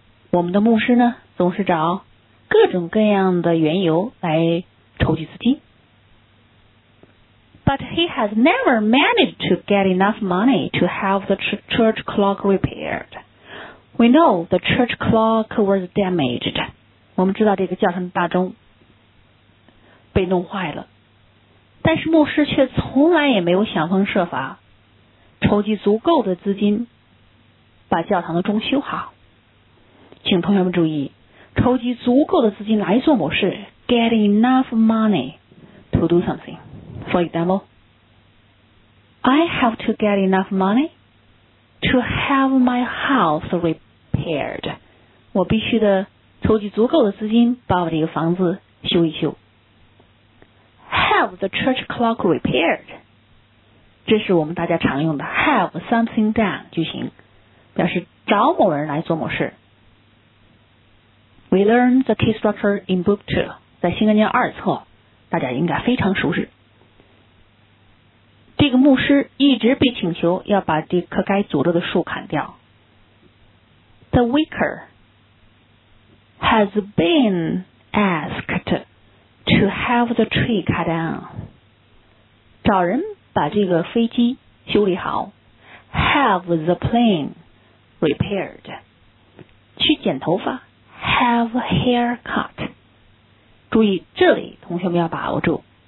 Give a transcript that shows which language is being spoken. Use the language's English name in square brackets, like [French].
[Chinese] 我们的牧师呢总是找各种各样的缘由来筹集资金。 [English] But he has never managed to get enough money to have the church clock repairedWe know the church clock was damaged. [Chinese] 我们知道这个教堂大钟被弄坏了，但是牧师却从来也没有想方设法筹集足够的资金把教堂的钟修好。请同学们注意，筹集足够的资金来做某事， [English] get enough money to do something. For example, I have to get enough money to have my house repaired. [Chinese] 我必须的筹集足够的资金把我这个房子修一修。 [English] Have the church clock repaired， [Chinese] 这是我们大家常用的 have something done 句型，表示找某人来做某事。 [English] We learn the key structure in book 2， [Chinese] 在新概念二册大家应该非常熟识。这个牧师一直被请求要把这棵该诅咒的树砍掉。 [English] The vicar has been asked to have the tree cut down. [Chinese] 找人把这个飞机修理好。 [English] Have the plane repaired. [Chinese] 去剪头发。 [English] Have a haircut. [Chinese] 注意这里同学们要把握住。